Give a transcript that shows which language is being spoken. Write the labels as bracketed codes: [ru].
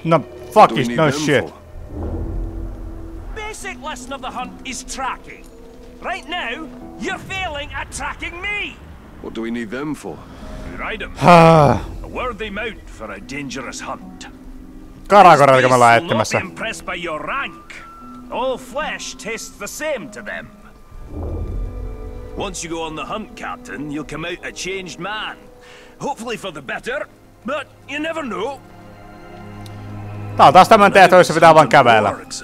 [en] No, fuck it, no shit. Basic lesson of the hunt is tracking. Right now, you're failing at tracking me! What do we need them for? You ride them. A worthy mount for a dangerous hunt. [fi] Caragor, jota me ollaan etsimässä. [en] Impressed by your rank. All flesh tastes the same to them. Once you go on the hunt, Captain, you'll come out a changed man. Hopefully for the better, but you never know. [fi] Tää on taas tämän tehtävissä, pitää vaan kävellä.